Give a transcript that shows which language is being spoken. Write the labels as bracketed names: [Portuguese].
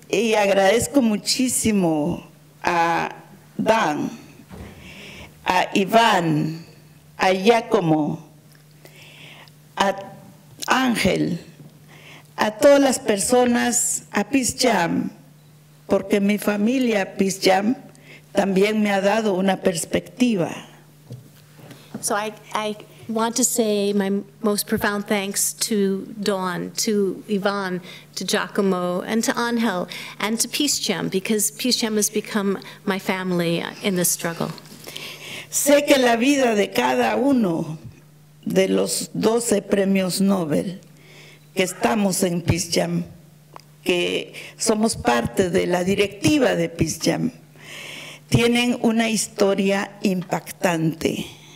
[Spanish] Y agradezco muchísimo a Dan, a Iván, a Giacomo, a Ángel, a todas las personas, a PeaceJam, porque mi familia PeaceJam también me ha dado una perspectiva. [English] So I want to say my most profound thanks to Dawn, to Yvonne, to Giacomo, and to Angel, and to PeaceJam, because PeaceJam has become my family in this struggle. [Spanish] Sé que la vida de cada uno de los 12 premios Nobel que estamos en PeaceJam, que somos parte de la directiva de PeaceJam, tienen una historia impactante.